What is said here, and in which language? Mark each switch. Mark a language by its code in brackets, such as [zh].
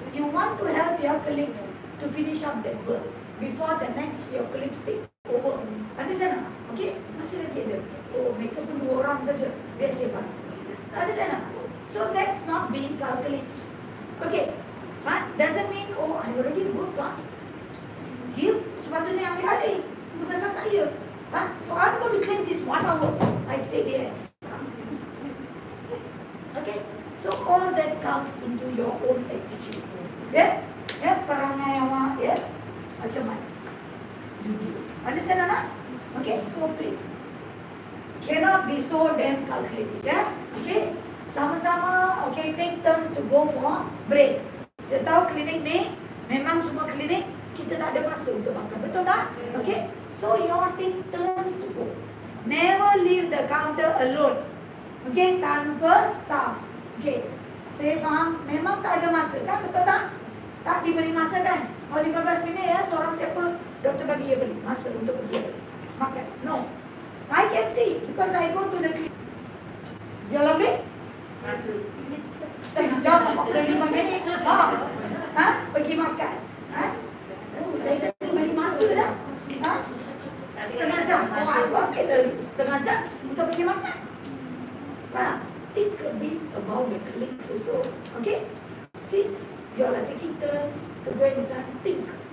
[en] You want to help your colleagues to finish up their work before the next your colleagues take over. [ms] Understand tak? Okay? Masih lagi ada. Oh, mereka pun dua orang saja. Biar saya buat. Understand tak? [en] So that's not being calculated. Okay. But doesn't mean, oh, I already work on. [ms] Dia sepatutnya ambil hari. Tugasan saya. [en] Huh? So I'm going to claim this 1 hour. I stay there. Okay. So all that comes into your own attitude. Yeah? Yeah? [ms] Perangai awak. [en] Yeah? [ms] Macam mana? [en] Understand or not? Okay. So please. Cannot be so damn calculated. Yeah? Okay? [ms] Sama-sama, [en] okay, take turns to go for break. [ms] Saya tahu klinik ni, memang semua klinik, kita tak ada masa untuk makan. Betul tak? [en] Yes. Okay? So, you all take turns to go. Never leave the counter alone. Okay? [ms] Tanpa staff. Okay? Saya faham, memang tak ada masa kan? Betul tak? tak diberi masa kan? Oh 15 minit ya, seorang siapa doktor bagi dia beri masa untuk pergi beri makan. [en] No, I can see because I go to the clinic. [ms] Dia lebih? Masa. Jom, boleh 5 minit. Ha? Pergi makan. Ha? Oh, saya tak beri masa dah. Ha? Setengah jam. Oh, aku ambil setengah jam untuk pergi makan. [en] Ha? Think a bit about the clinics also. Okay? Since you are taking turns, the brain is on, think.